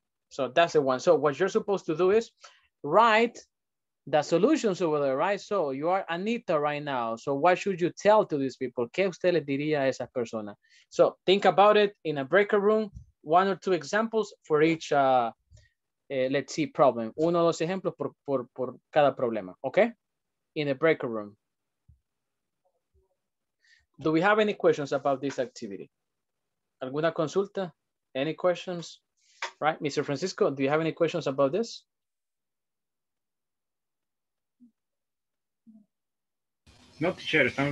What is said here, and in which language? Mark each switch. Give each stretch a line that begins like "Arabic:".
English: So that's the one. So what you're supposed to do is write the solutions over there, right? So you are Anita right now. So what should you tell to these people?
Spanish: ¿Qué usted le diría a esas personas?
English: So think about it in a breaker room. One or two examples for each, let's see, problem.
Spanish: Uno o dos ejemplos por cada problema, okay?
English: In a breaker room. Do we have any questions about this activity?
Spanish: ¿Alguna consulta?
English: Any questions? Right, Mr. Francisco, do you have any questions about this? Not to share, I'm